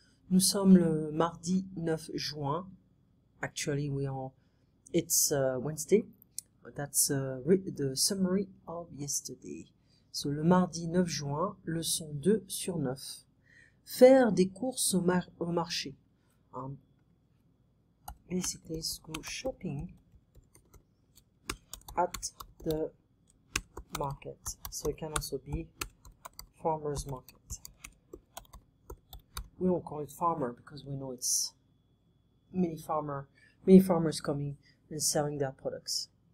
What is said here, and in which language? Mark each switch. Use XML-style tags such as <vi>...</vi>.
<fr>Nous sommes le mardi 9 juin.</fr> <en>Actually, we are. It's Wednesday. That's the summary of yesterday.</en> <fr>So, le mardi 9 juin, leçon 2 sur 9. Faire des courses au marché.</fr> <en>Basically, go shopping at the market. So, it can also be farmer's market. We don't call it farmer because we know it's many farmers coming and selling their products.</en>